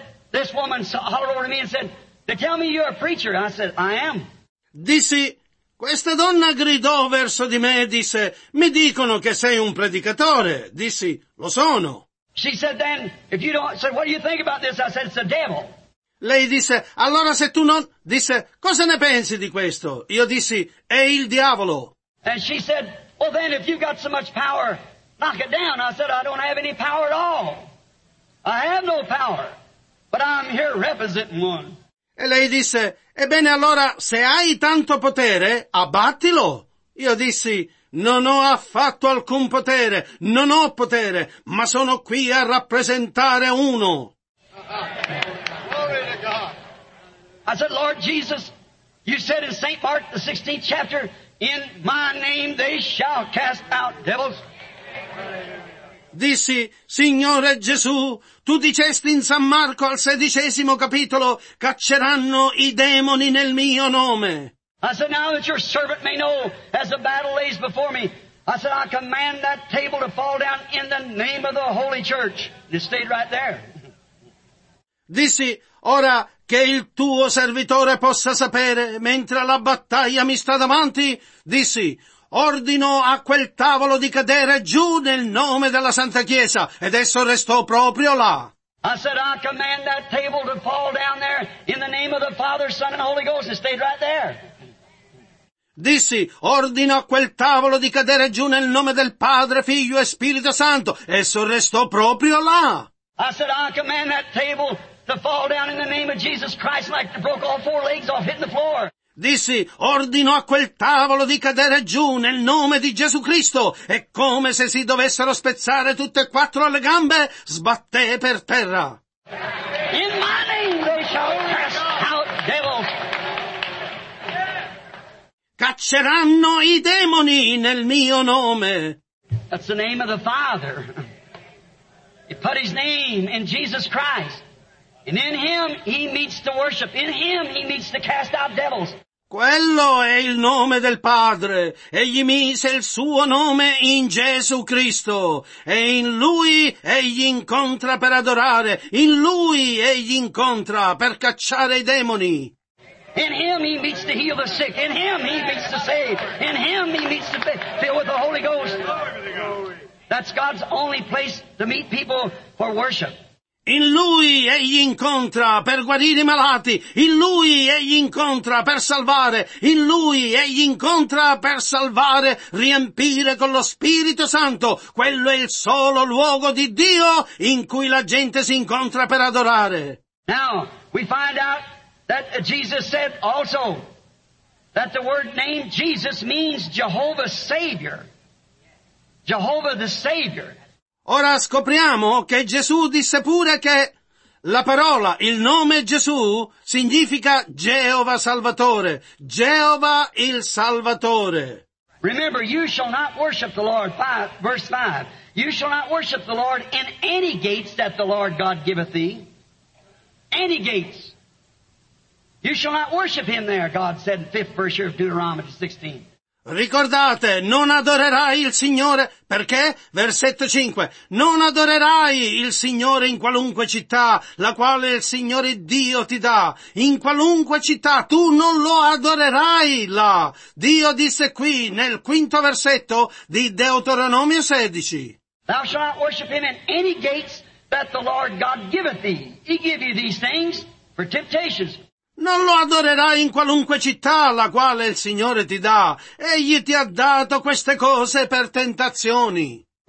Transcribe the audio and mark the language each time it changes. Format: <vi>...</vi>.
<en>This woman hollered over to me and said, "They tell me you're a preacher." I said, "I am."</en> <it>Dissi, questa donna gridò verso di me e disse, "Mi dicono che sei un predicatore." Dissi, "Lo sono."</it> <en>She said, "Then if you don't," said, "What do you think about this?" I said, "It's the devil."</en> <it>Lei disse, "Allora se tu non," disse, "Cosa ne pensi di questo?" Io dissi, "È il diavolo."</it> <en>And she said, "Well, then if you've got so much power, knock it down." I said, "I don't have any power at all. I have no power. But I'm here representing one."</en> <it>E lei disse, ebbene allora, se hai tanto potere, abbattilo. Io dissi, non ho affatto alcun potere, non ho potere, ma sono qui a rappresentare uno.</it> <en>Glory to God. I said, Lord Jesus, you said in St. Mark, the 16th chapter, in my name they shall cast out devils.</en> <it>Dissi, Signore Gesù, tu dicesti in San Marco al 16° capitolo, cacceranno i demoni nel mio nome.</it> <en>I said, now that your servant may know as the battle lays before me, I said, I command that table to fall down in the name of the Holy Church. And it stayed right there.</en> <it>Dissi, ora che il tuo servitore possa sapere, mentre la battaglia mi sta davanti, dissi, ordino a quel tavolo di cadere giù nel nome della Santa Chiesa, ed esso restò proprio là.</it> <en>I said, I command that table to fall down there in the name of the Father, Son, and Holy Ghost. It stayed right there.</en> <it>Dissi, ordino a quel tavolo di cadere giù nel nome del Padre, Figlio e Spirito Santo, esso restò proprio là.</it> <en>I said, I command that table to fall down in the name of Jesus Christ, like it broke all four legs off hitting the floor.</en> <it>Dissi, ordino a quel tavolo di cadere giù nel nome di Gesù Cristo, e come se si dovessero spezzare tutte e quattro le gambe, sbatté per terra.</it> <en>In my name they shall cast out devils.</en> <it>Cacceranno i demoni nel mio nome.</it> <en>That's the name of the Father. He put his name in Jesus Christ. And in him he meets to worship. In him he meets to cast out devils.</en> <it>Quello è il nome del Padre. Egli mise il suo nome in Gesù Cristo. E in lui egli incontra per adorare. In lui egli incontra per cacciare i demoni.</it> <en>In him he meets to heal the sick. In him he meets to save. In him he meets to fill with the Holy Ghost. That's God's only place to meet people for worship.</en> <it>In lui egli incontra per guarire i malati. In lui egli incontra per salvare. In lui egli incontra per salvare, riempire con lo Spirito Santo. Quello è il solo luogo di Dio in cui la gente si incontra per adorare.</it> <en>Now, we find out that Jesus said also that the word name Jesus means Jehovah Savior. Jehovah the Savior.</en> <it>Ora scopriamo che Gesù disse pure che la parola, il nome Gesù, significa Geova Salvatore, Geova il Salvatore.</it> <en>Remember, you shall not worship the Lord, verse 5, you shall not worship the Lord in any gates that the Lord God giveth thee, any gates. You shall not worship him there, God said in the 5th verse of Deuteronomy 16.</en> <it>Ricordate, non adorerai il Signore, perché? Versetto 5. Non adorerai il Signore in qualunque città, la quale il Signore Dio ti dà. In qualunque città, tu non lo adorerai là. Dio disse qui, nel 5° versetto di Deuteronomio 16.</it> <en>Thou shalt not worship him in any gates that the Lord God giveth thee. He give you these things for temptations.</en> <it>Non lo adorerai in qualunque città la quale il Signore ti dà. Egli ti ha dato queste cose per tentazioni.</it>